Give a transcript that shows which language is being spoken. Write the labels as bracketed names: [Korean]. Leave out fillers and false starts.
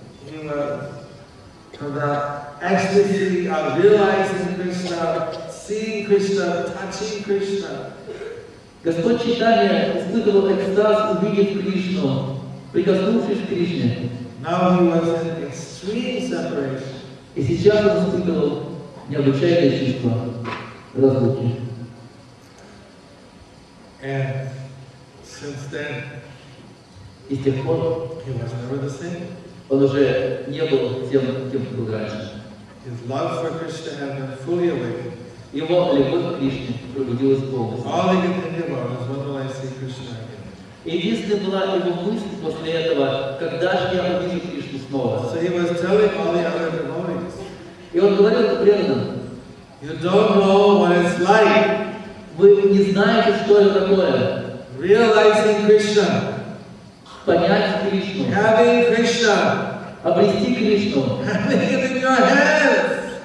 [English] From the ecstasy of realizing Krishna, seeing Krishna, touching Krishna. [Russian] Господь Чайтанья испытывал экстаз, увидев Кришну, прикоснувшись к Кришне. [English] Now he was in extreme separation. [Russian] И сейчас он испытывал необычайное чувство разлуки. [English] And since then, [Russian] и с тех пор [English] he was never the same. [Russian] Он уже не был тем, кем был раньше. [English] His love for Krishna had been fully awakened. [Russian] Его любовь к Кришне пробудилась полностью. [English] All he could think about was, when will I see Krishna again? [Russian] Единственная была его мысль после этого, когда же я увижу Кришну снова. [English] So he was telling all the other devotees. [Russian] И он говорил это преданным. [English] You don't know what it's like. [Russian] Вы не знаете, что это такое. [English] Realizing Krishna. [Russian] Понять Кришну. [English] Having Krishna. [Russian] Обрести Кришну. [English] Having it in your hands.